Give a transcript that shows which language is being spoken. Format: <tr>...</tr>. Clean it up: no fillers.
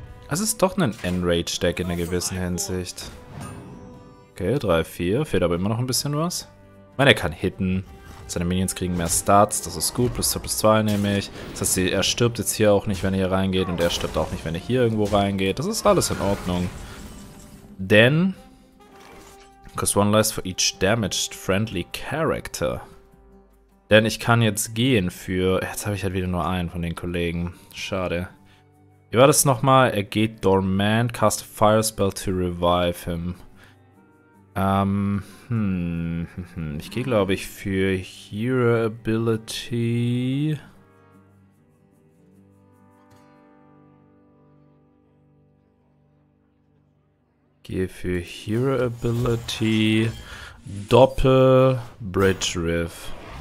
<de>Es ist doch ein Enrage-Deck in einer gewissen Hinsicht. Okay, 3, 4. Fehlt aber immer noch ein bisschen was. Ich meine, er kann hitten. Seine Minions kriegen mehr Stats. Das ist gut. Plus 2, plus 2 nehme ich. Das heißt, er stirbt jetzt hier auch nicht, wenn er hier reingeht. Und er stirbt auch nicht, wenn er hier irgendwo reingeht. Das ist alles in Ordnung. Denn.</de> <en>Cost one less for each damaged friendly character.</en> <de>Denn ich kann jetzt gehen für. Jetzt habe ich halt wieder nur einen von den Kollegen. Schade. Wie war das nochmal? Er geht dormant.</de> <en>Cast a fire spell to revive him.</en> <de>Ich gehe, glaube ich, für Hero Ability. Gehe für Hero Ability Doppel Bridge Riff.</de>